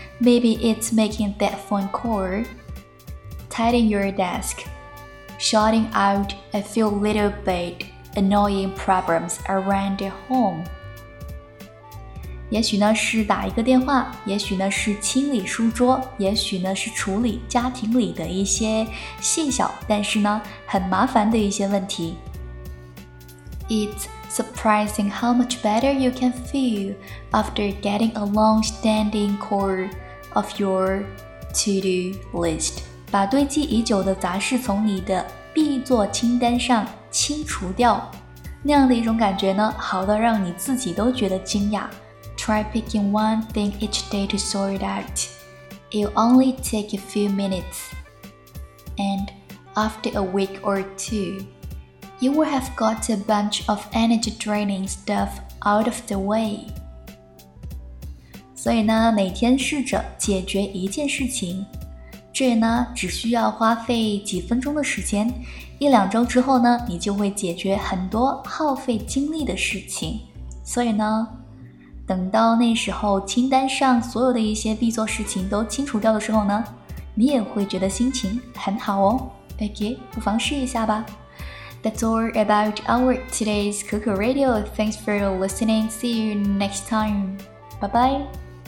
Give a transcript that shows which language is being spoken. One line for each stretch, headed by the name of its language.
English: Maybe it's making that phone call， Tidying your desk， Shouting out a few little bitAnnoying problems around your home.
Chinese: 也许呢是打一个电话，也许呢是清理书桌，也许呢是处理家庭里的一些细小，但是呢很麻烦的一些问题。
English: It's surprising how much better you can feel after getting a long-standing core of your to-do list.
Chinese: 把堆积已久的杂事从你的必做清单上清除掉，那样的一种感觉呢，好到让你自己都觉得惊讶。
English: Try picking one thing each day to sort it out. It'll only take a few minutes. And after a week or two, you will have got a bunch of energy draining stuff out of the way.
Chinese: 所以呢，每天试着解决一件事情，这呢，只需要花费几分钟的时间。一两周之后呢，你就会解决很多耗费精力的事情。所以呢，等到那时候清单上所有的一些必做事情都清除掉的时候呢，你也会觉得心情很好哦。 OK， 不妨试一下吧。
English: That's all about our today's Kuku Radio. Thanks for listening. See you next time. Bye bye.